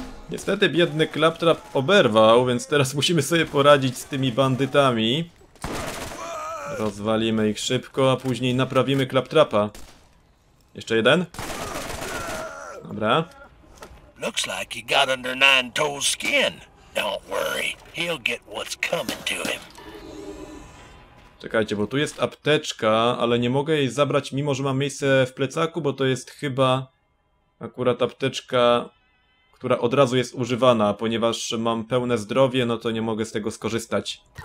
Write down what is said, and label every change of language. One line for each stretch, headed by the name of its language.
Polish: Niestety biedny Claptrap oberwał, więc teraz musimy sobie poradzić z tymi bandytami. Rozwalimy ich szybko, a później naprawimy Claptrapa. Jeszcze jeden. Dobra.
English: Looks like he got under nine toes skin. Don't worry, he'll get what's coming to him.
Polish: Czekajcie, bo tu jest apteczka, ale nie mogę jej zabrać, mimo że mam miejsce w plecaku, bo to jest chyba akurat apteczka, która od razu jest używana, ponieważ mam pełne zdrowie, no to nie mogę z tego skorzystać.